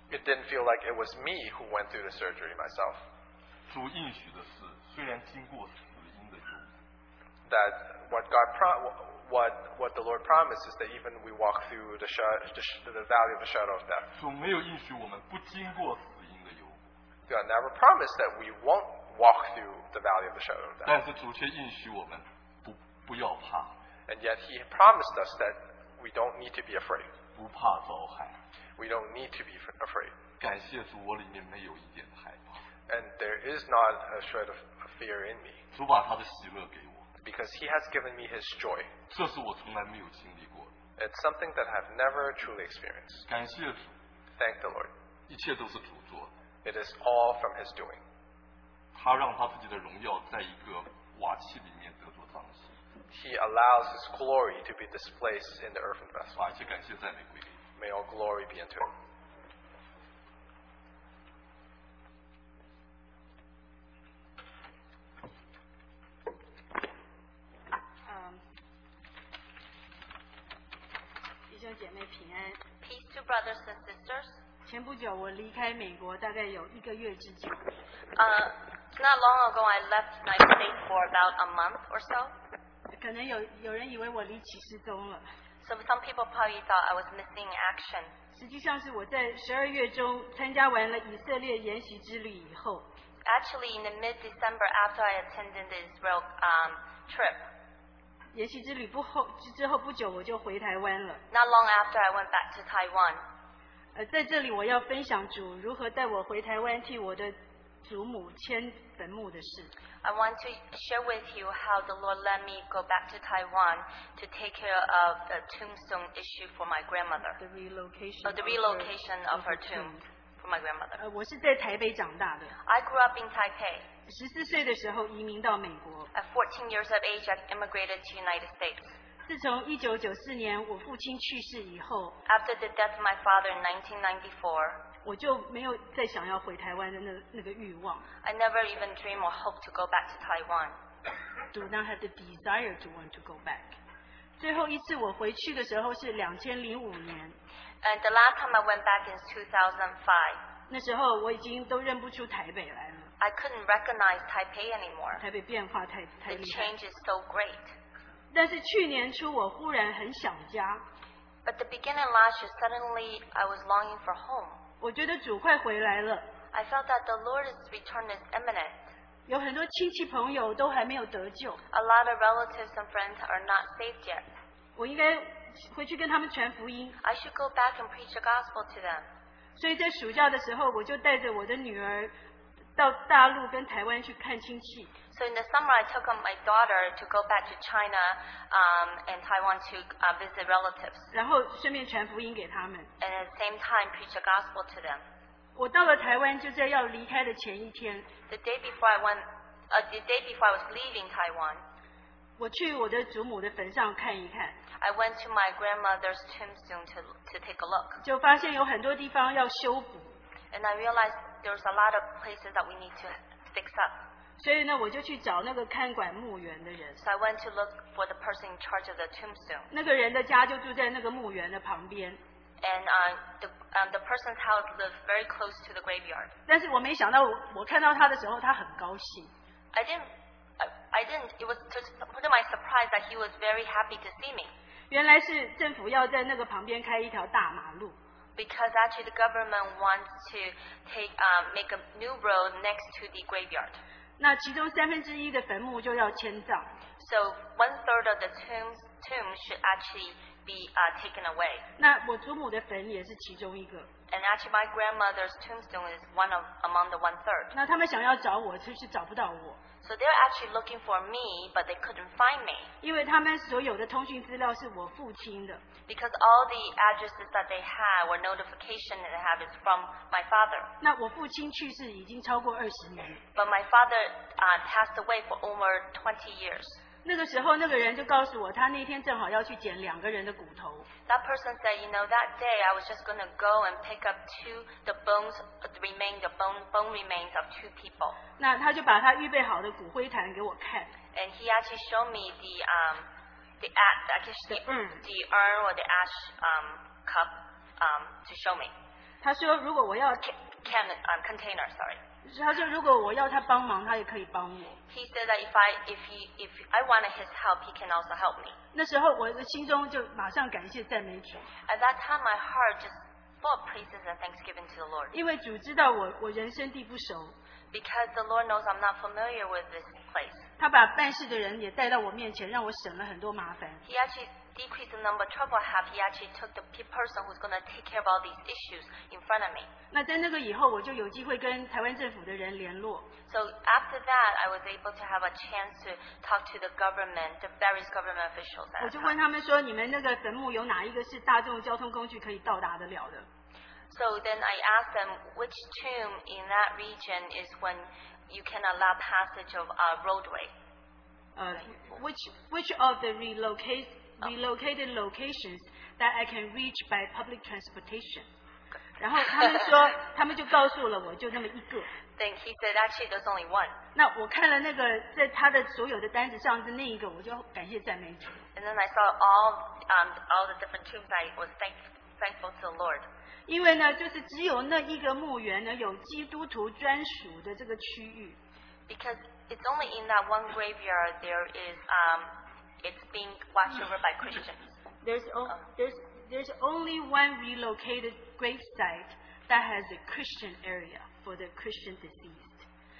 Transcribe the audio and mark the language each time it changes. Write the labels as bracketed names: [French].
[English] It didn't feel like it was me who went through the surgery myself. [Chinese] 主应许的是，虽然经过死荫的幽谷。 [English] That what the Lord promises that even we walk through the valley of the shadow of death. [Chinese] 主没有应许我们不经过死荫的幽谷。 [English] God never promised that we won't walk through the valley of the shadow of death. [Chinese] 但是主却应许我们不要怕。 [English] And yet he promised us that we don't need to be afraid. [Chinese] 不怕遭害。 [English] We don't need to be afraid. [Chinese] 感谢主，我里面没有一点害怕。 [English] And there is not a shred of fear in me. [Chinese] 主把他的喜乐给我。 [English] Because he has given me his joy. [Chinese] 这是我从来没有经历过的。 [English] It's something that I've never truly experienced. [Chinese] 感谢主。 [English] Thank the Lord. [Chinese] 一切都是主做的。 [English] It is all from his doing. [Chinese] 他让他自己的荣耀在一个瓦器里面得着彰显。 [English] He allows his glory to be displaced in the earthen vessel. [Chinese] 哇，就感谢赞美归给 [English] 你。May all glory be unto him. [Chinese] 弟兄姐妹平安。 [English] Peace to brothers and sisters. [Chinese] 前不久我离开美国，大概有一个月之久。 [English] Not long ago I left my state for about a month or so. [Chinese] 可能有人以为我离奇失踪了。 [English] So some people probably thought I was missing action. [Chinese] 实际上是我在十二月中参加完了以色列研习之旅以后。 [English] Actually, in the mid-December after I attended the Israel trip. [Chinese] 研习之旅之后不久我就回台湾了。 [English] Not long after I went back to Taiwan. [Chinese] 在这里我要分享主如何带我回台湾替我的祖母迁坟墓的事。 [English] I want to share with you how the Lord let me go back to Taiwan to take care of the tombstone issue for my grandmother. The relocation, of her tomb for my grandmother. [Chinese] 我是在台北长大的。 [English] I grew up in Taipei. [Chinese] 14岁的时候移民到美国。 [English] At 14 years of age, I immigrated to the United States. [Chinese] 自从1994年我父亲去世以后。 [English] After the death of my father in 1994, [Chinese] 我就没有再想要回台湾的那个欲望。 [English] I never even dream or hope to go back to Taiwan. Do not have the desire to want to go back. [Chinese] 最后一次我回去的时候是2005年。 [English] And the last time I went back is 2005. [Chinese] 那时候我已经都认不出台北来了。 [English] I couldn't recognize Taipei anymore. [Chinese] 台北变化太厉害。 [English] The change is so great. [Chinese] 但是去年初我忽然很想家。 [English] But the beginning of last year, suddenly I was longing for home. [Chinese] 我觉得主快回来了。 [English] I felt that the Lord's return is imminent. [Chinese] 有很多亲戚朋友都还没有得救。 [English] A lot of relatives and friends are not saved yet. [Chinese] 我应该回去跟他们传福音。 [English] I should go back and preach the gospel to them. [Chinese] 所以在暑假的时候，我就带着我的女儿到大陆跟台湾去看亲戚。 [English] So in the summer, I took my daughter to go back to China, and Taiwan to visit relatives. [Chinese] 然后顺便传福音给他们。 [English] And at the same time, preach the gospel to them. [Chinese] 我到了台湾就在要离开的前一天。 [English] The day before I went, the day before I was leaving Taiwan. [Chinese] 我去我的祖母的坟上看一看。 [English] I went to my grandmother's tombstone to take a look. [Chinese] 就发现有很多地方要修补。 [English] And I realized there's a lot of places that we need to fix up. [Chinese] 所以呢，我就去找那个看管墓园的人。 [English] So I went to look for the person in charge of the tombstone. [Chinese] 那个人的家就住在那个墓园的旁边。 [English] And the person's house lived very close to the graveyard. [Chinese] 但是我没想到，我看到他的时候，他很高兴。 [English] It was to my surprise that he was very happy to see me. [Chinese] 原来是政府要在那个旁边开一条大马路。 [English] Because actually the government wants to take make a new road next to the graveyard. [Chinese] 那其中三分之一的坟墓就要迁葬。 [English] So one third of the tomb should actually be taken away. [Chinese] 那我祖母的坟也是其中一个。 [English] And actually my grandmother's tombstone is one of among the one third. [Chinese] 那他们想要找我，却是找不到我。 [English] So they're actually looking for me, but they couldn't find me. [Chinese] 因为他们所有的通讯资料是我父亲的。 [English] Because all the addresses that they have or notification that they have is from my father. [Chinese] 那我父亲去世已经超过二十年。 [English] But my father passed away for over 20 years. [Chinese] 那个时候那个人就告诉我，他那天正好要去捡两个人的骨头。 [English] That person said, you know, that day I was just going to go and pick up the bone remains of two people. [Chinese] 那他就把他预备好的骨灰坛给我看。 [English] And he actually showed me the urn or the ash cup to show me. [Chinese] 他说如果我要 [English] container, sorry. [Chinese] 他说如果我要他帮忙，他也可以帮我。 [English] He said that if I wanted his help, he can also help me. [Chinese] 那时候我的心中就马上感谢赞美主。 [English] At that time, my heart just full of praises and thanksgiving to the Lord. [Chinese] 因为主知道我人生地不熟。 [English] Because the Lord knows I'm not familiar with this place. [Chinese] 他把办事的人也带到我面前，让我省了很多麻烦。 [English] He actually decreased the number of trouble I have. He actually took the person who's going to take care of all these issues in front of me. [Chinese] 那在那个以后，我就有机会跟台湾政府的人联络。 [English] So after that, I was able to have a chance to talk to the government, the various government officials. [Chinese] 我就问他们说，你们那个坟墓有哪一个是大众交通工具可以到达得了的？ [English] So then I asked them which tomb in that region is when you can allow passage of a roadway. Which of the relocated locations that I can reach by public transportation? [Chinese] 然后他们说，他们就告诉了我，就那么一个。 [English] Then he said actually there's only one. [Chinese] 那我看了那个在他的所有的单子上是那一个，我就感谢赞美主。 [English] And then I saw all the different tombs. I was thankful to the Lord. [Chinese] 因为呢，就是只有那一个墓园呢有基督徒专属的这个区域。 [English] Because it's only in that one graveyard there is it's being watched over by Christians. There's only one relocated grave site that has a Christian area for the Christian deceased.